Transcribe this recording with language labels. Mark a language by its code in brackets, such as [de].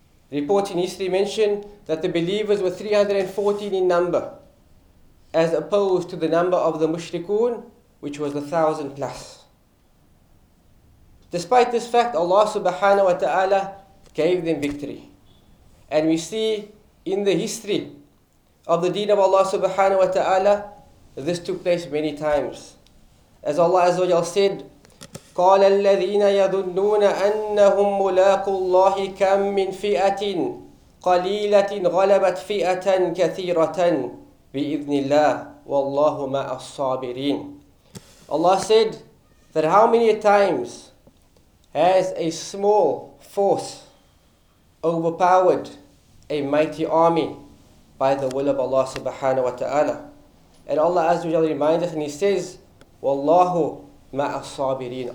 [en] Reports in history mention that the believers were 314 in number, as opposed to the number of the mushrikun, which was 1,000+. Despite this fact, Allah subhanahu wa ta'ala gave them victory. And we see in the history of the deen of Allah subhanahu wa ta'ala, this took place many times. As Allah azza wa jalla said, [ar] قال الذين يظنون أنهم ملاقوا الله كم من فئة قليلة غلبت فئة كثيرة بإذن الله والله مع الصابرين. [en] Allah said that how many times has a small force overpowered a mighty army by the will of Allah subhanahu wa ta'ala. And Allah azza wa jalla reminds us and He says, [ar] وَاللَّهُ مَعَ الصَّابِرِينَ.